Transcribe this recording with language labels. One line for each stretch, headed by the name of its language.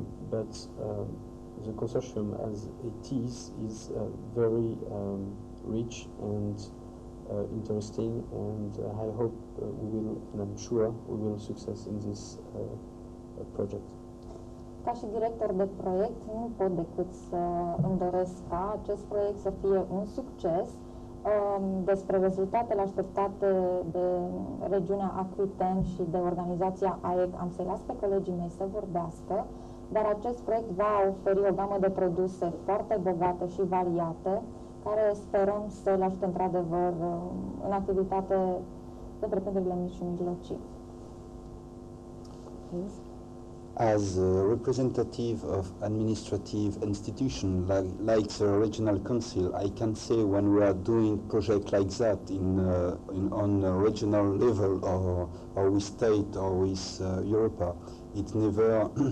English: But the consortium, as it is very rich and interesting, and I hope we will, and I'm sure we will success in this project.
Romanian: Ca și director de proiect, nu pot decât să îmi doresc ca acest proiect să fie un succes. Despre rezultatele așteptate de regiunea Aquitaine și de organizația AEC am să-i las pe colegii mei să vorbească, dar acest proiect va oferi o gamă de produse foarte bogate și variate, care sperăm să le ajute într-adevăr în activitate de întreprinderile mici și mijlocii.
English: As a representative of administrative institution like the regional council, I can say when we are doing project like that on a regional level or with state or with Europa, it never